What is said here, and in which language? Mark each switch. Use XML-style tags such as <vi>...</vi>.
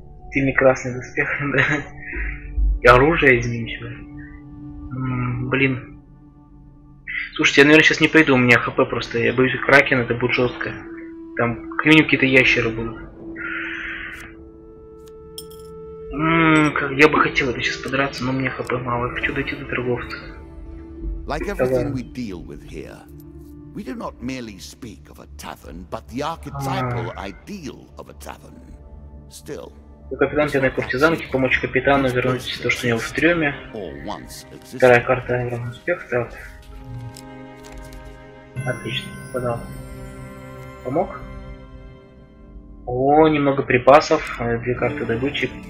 <ru>Сильный красный доспех, да? И оружие изменчивое. Блин. Слушайте, я, наверное, сейчас не пойду, у меня хп просто. Я боюсь, кракен, это будет жестко. Там, как минимум, какие-то ящеры будут. Я бы хотел это сейчас подраться, но мне хп мало. Я хочу дойти до торговца.</ru> <en>Like everything we deal with here, we do not merely speak of a tavern, but the archetypal ideal of a tavern. Still.</en> <ru>Капитан тебя на куртизанке, помочь капитану вернуть то, что у него в трюме. Вторая карта Айрон Успех, так. Отлично, подал. Помог? О, немного припасов, две карты добычи.</ru>